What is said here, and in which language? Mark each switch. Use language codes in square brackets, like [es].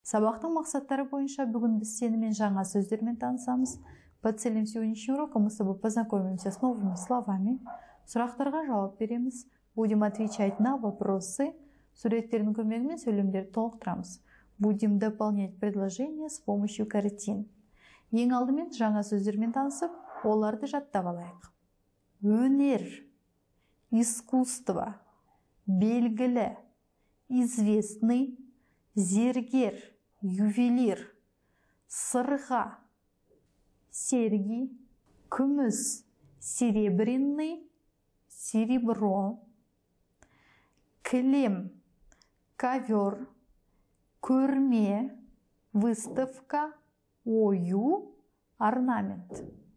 [kk] Сабақтың мақсаттары бойынша бүгін біз сенімен жаңа сөздермен танысамыз. [ru] Подселим сегодняшний урок, мы с тобой познакомимся с новыми словами. [kk] Сұрақтарға жауап береміз. [ru] Будем отвечать на вопросы. [kk] Суреттердің көмегімен сөйлемдерді толықтырамыз. [ru] Будем дополнять предложения с помощью картин. [kk] Ең алдымен жаңа сөздермен танысып, оларды жаттап алайық. [ru] Өнер, искусство, белгілі, известный, зергер, ювелир, сырға, серьги, күміс, серебряный, серебро, кілем, ковер, көрме, выставка, ою, орнамент.